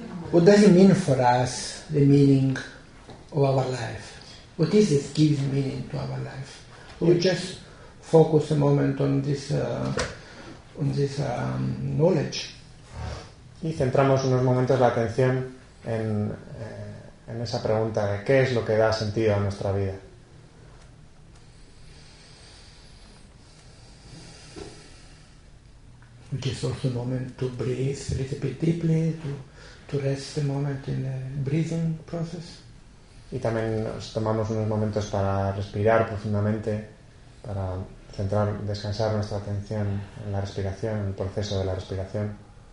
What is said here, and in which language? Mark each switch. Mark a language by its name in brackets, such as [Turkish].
[English] What does it mean for us, the meaning of our life? What is it gives meaning to our life? We just focus a moment on this knowledge. [Spanish] Y centramos unos momentos la atención en esa pregunta de qué es lo que da sentido a nuestra vida. [English] Which is also a moment to breathe a little bit deeply, to rest a moment in the breathing process. [Spanish] Y también nos tomamos unos momentos para respirar profundamente, para centrar, descansar nuestra atención en la respiración, en el proceso de la respiración.